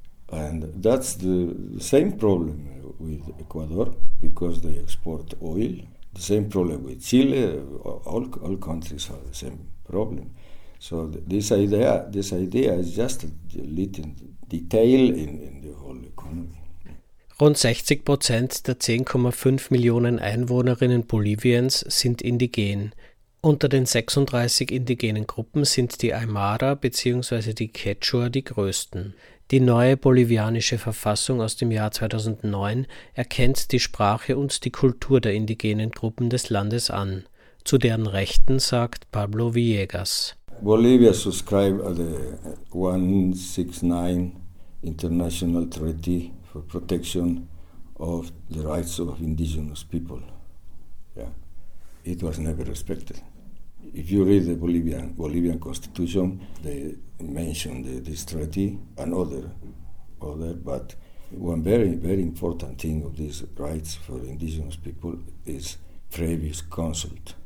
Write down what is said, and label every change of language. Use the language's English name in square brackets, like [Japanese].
[English] And that's the same problem with Ecuador, because they export oil. The same problem with Chile. All countries have the same problem. So this idea is just a little detail in the whole economy. [German] Rund 60% der 10,5 Millionen Einwohnerinnen Boliviens sind indigen. Unter den 36 indigenen Gruppen sind die Aymara bzw. die Quechua die größten. Die neue bolivianische Verfassung aus dem Jahr 2009 erkennt die Sprache und die Kultur der indigenen Gruppen des Landes an. Zu deren Rechten sagt Pablo Villegas. [English] Bolivia subscribed to the 169 International Treaty for Protection of the Rights of Indigenous People. Yeah. It was never respected. If you read the Bolivian constitution, they mention this treaty and other, but one very, very important thing of these rights for indigenous people is previous consult.